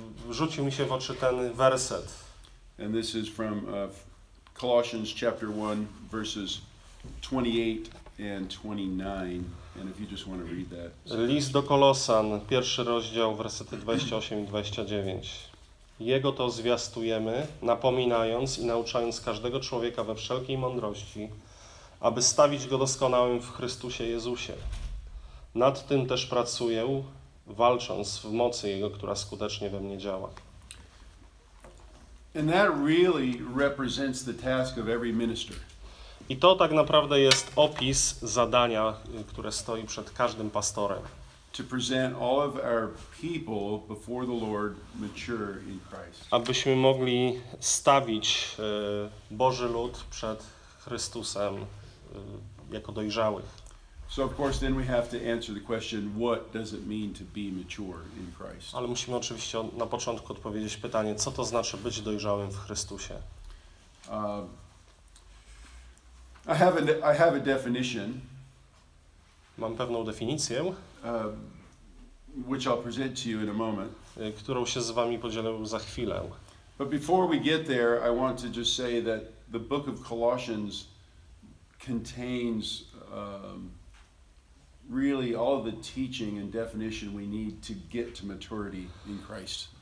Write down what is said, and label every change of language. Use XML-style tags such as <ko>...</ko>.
<pl>Rzucił mi się w oczy ten werset.</pl> <en>And this is from Colossians chapter 1 verses 28 and 29. And if you just want to read that.</en> <pl>List do Kolosan, pierwszy rozdział, wersety 28 i 29. Jego to zwiastujemy, napominając i nauczając każdego człowieka we wszelkiej mądrości, aby stawić go doskonałym w Chrystusie Jezusie. Nad tym też pracuję, walcząc w mocy Jego, która skutecznie we mnie działa.</pl> <en>And that really represents the task of every minister.</en> <pl>I to tak naprawdę jest opis zadania, które stoi przed każdym pastorem.</pl> <en>To present all of our people before the Lord mature in Christ.</en> <pl>Abyśmy mogli stawić Boży lud przed Chrystusem jako dojrzałych.</pl> <en>So of course then we have to answer the question, what does it mean to be mature in Christ?</en> <pl>Ale musimy oczywiście na początku odpowiedzieć pytanie, co to znaczy być dojrzałym w Chrystusie?</pl> <en>I have a definition.</en> <pl>Mam pewną definicję,</pl> <en>which I'll present to you in a moment.</en> <pl>Którą się z wami podzielę za chwilę.</pl> <en>But before we get there, I want to just say that the book of Colossians contains really all the teaching and definition we need to get to maturity in Christ.</en>